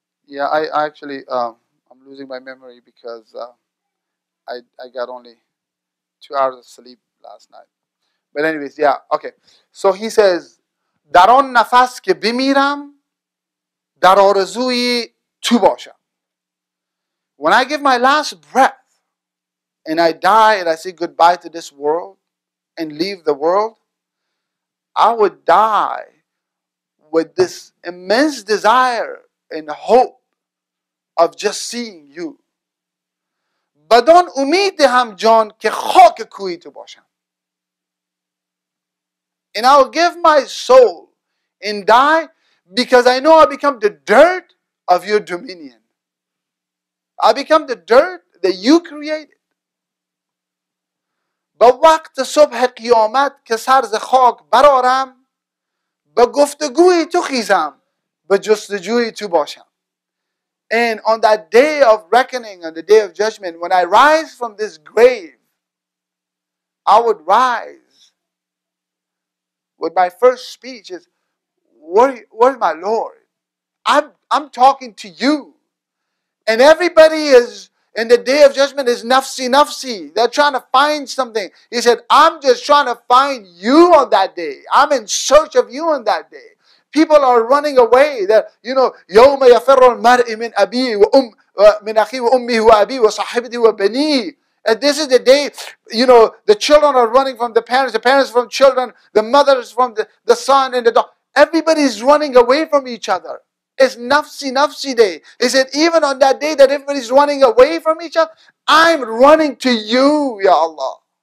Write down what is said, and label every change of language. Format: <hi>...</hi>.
<en>I'm losing my memory because I got only 2 hours of sleep last night. But anyways, yeah, okay. So he says,</en> <fa>در آن نفس که بمیرم در آرزوی تو باشم.</fa> <en>When I give my last breath and I die and I say goodbye to this world and leave the world, I would die with this immense desire and hope of just seeing you.</en> <fa>بدان امید هم جان که خاک کوی تو باشم.</fa> <en>And I'll give my soul and die because I know I become the dirt of your dominion. I become the dirt that you created.</en> <fa>به وقت صبح قیامت که سر ز خاک برارم به گفتگوی تو خیزم به جستجوی تو باشم.</fa> <en>And on that day of reckoning, on the day of judgment, when I rise from this grave, I would rise with my first speech is, where is my Lord? I'm talking to you. And everybody is, in the day of judgment, is nafsi. They're trying to find something. He said, I'm just trying to find you on that day. I'm in search of you on that day. People are running away. They're, you know,</en> <ar>يوم يفر المرء من أبيه وأم من أخيه وأمه وأبيه وصاحبته وبنيه.</ar> <en>And this is the day, you know, the children are running from the parents from children, the mothers from the son and the daughter. Everybody's running away from each other. It's nafsi day. He said, even on that day that everybody's running away from each other, I'm running to you, Ya Allah.</en>